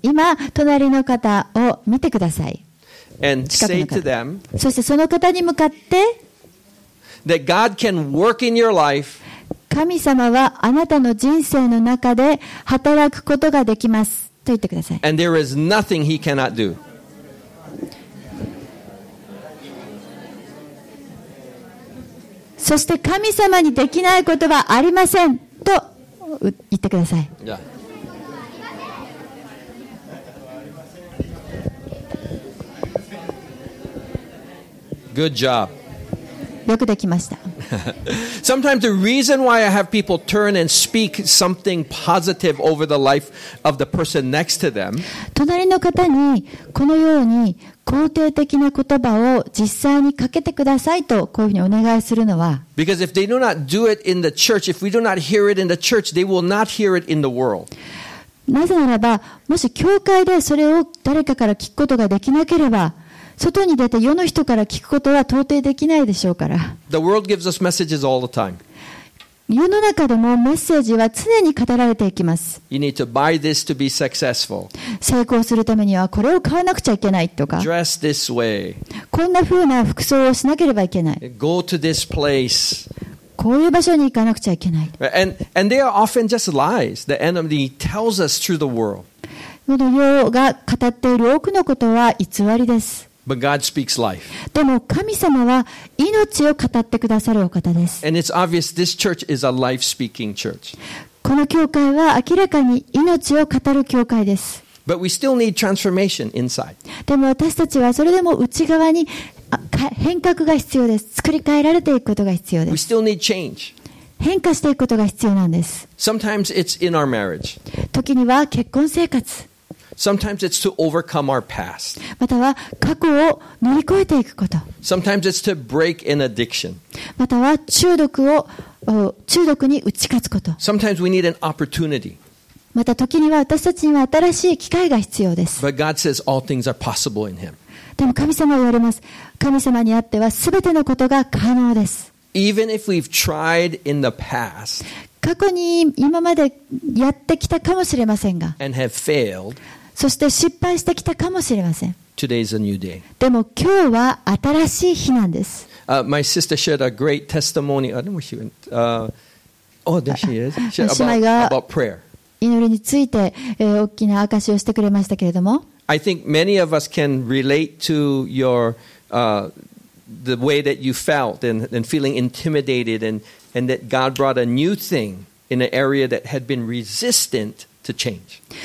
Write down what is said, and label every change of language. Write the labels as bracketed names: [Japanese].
[Japanese] 今隣の方を見てください。 [English] And say to them, [Japanese] そしてその方に向かって、 [English] that God can work in your life. [Japanese] 神様はあなたの人生の中で働くことができますと言ってください。 [English] And there is nothing He cannot do. [Japanese] そして神様にできないことはありませんと言ってください。 [English] Yeah. Good job. [Japanese] よくできました。 [English] Sometimes the reason why I have people turn and speak something positive over the life of the person next to them. [Japanese] 隣の方にこのように肯定的な言葉を実際にかけてくださいとこういうふうにお願いするのは。 [English] Because if they do not do it in the church, if we do not hear it in the church, they will not hear it in the world. [Japanese] なぜならば、もし教会でそれを誰かから聞くことができなければ。外に出て世の人から聞くことは到底できないでしょうから。 [English] The world gives us messages all the time. [Japanese] 世の中でもメッセージは常に語られていきます。 [English] You need to buy this to be successful. [Japanese] 成功するためにはこれを買わなくちゃいけないとか。 [English] Dress this way. [Japanese] こんな風な服装をしなければいけない。 [English] Go to this place. [Japanese] こういう場所に行かなくちゃいけない。 [English] And they are often just lies. The enemy tells us through the world. [Japanese] 世の中が語っている多くのことは偽りです。 [English] But God speaks life. [Japanese] でも神様は命を語ってくださるお方です。 [English] And it's obvious this church is a life speaking church. [Japanese] この教会は明らかに命を語る教会です。 [English] But we still need transformation inside. [Japanese] でも私たちはそれでも内側に変革が必要です。作り変えられていくことが必要です。 [English] We still need change. [Japanese] 変化していくことが必要なんです。 [English] Sometimes it's in our marriage. [Japanese] 時には結婚生活。 [English] Sometimes it's to overcome our past. [Japanese] または過去を乗り越えていくこと。 [English] Sometimes it's to break an addiction. [Japanese] または中毒に打ち勝つこと。 [English] Sometimes we need an opportunity. [Japanese] また時には私たちには新しい機会が必要です。 [English] But God says all things are possible in Him. [Japanese] でも神様は言われます。神様にあっては全てのことが可能です。 [English] Even if we've tried in the past. [Japanese] 過去に今までやってきたかもしれませんが、そして失敗してきたかもしれません。 [English] Today's a new day. [Japanese] でも今日は新しい日なんです。 [English] My sister shared a great testimony. I don't know where she went. Oh, there she is. [Japanese] 姉妹が [English] about prayer. [Japanese] 祈りについて、大きな証をしてくれましたけれども。 [English] I think many of us can relate to your, the way that you felt and feeling intimidated and that God brought a new thing in an area that had been resistant to change.